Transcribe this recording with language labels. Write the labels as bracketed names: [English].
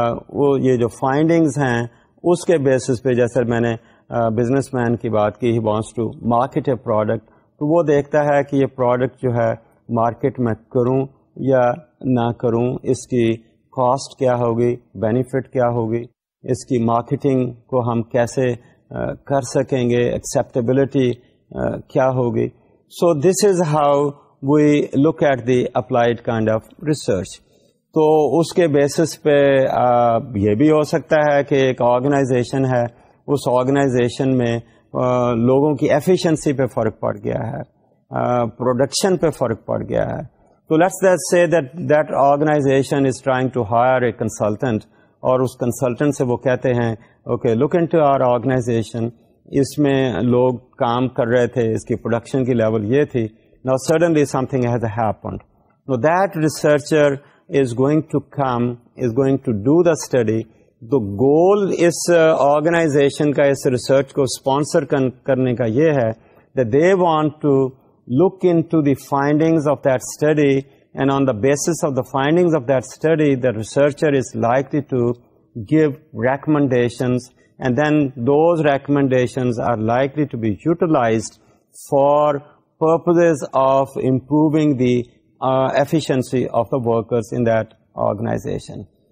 [Urdu] وہ یہ جو فائنڈنگز ہیں اس کے بیسس پہ, جیسے میں نے بزنس مین کی بات کی, [English] he wants to market a product, [Urdu] تو وہ دیکھتا ہے کہ یہ پروڈکٹ جو ہے مارکیٹ میں کروں یا نہ کروں, اس کی کاسٹ کیا ہوگی, بینیفٹ کیا ہوگی, اس کی مارکیٹنگ کو ہم کیسے کر سکیں گے, ایکسیپٹیبلٹی کیا ہوگی. [English] So this is how we look at the applied kind of research. [Urdu] تو اس کے بیسس پہ یہ بھی ہو سکتا ہے کہ ایک آرگنائزیشن ہے, اس آرگنائزیشن میں لوگوں کی ایفیشنسی پہ فرق پڑ گیا ہے, پروڈکشن پہ فرق پڑ گیا ہے. [English] تو let's that say that organization is trying to hire a consultant, [Urdu] اور اس کنسلٹنٹ سے وہ کہتے ہیں [English] okay look into our organization, [Urdu] اس میں لوگ کام کر رہے تھے, اس کی پروڈکشن کی لیول یہ تھی, نا [English] Suddenly something has happened, know that researcher is going to come, is going to do the study. The goal is organization [Urdu] ka is research ko sponsor karne ka ye hai [English] that they want to look into the findings of that study, and on the basis of the findings of that study the researcher is likely to give recommendations, and then those recommendations are likely to be utilized for purposes of improving the efficiency of the workers in that organization.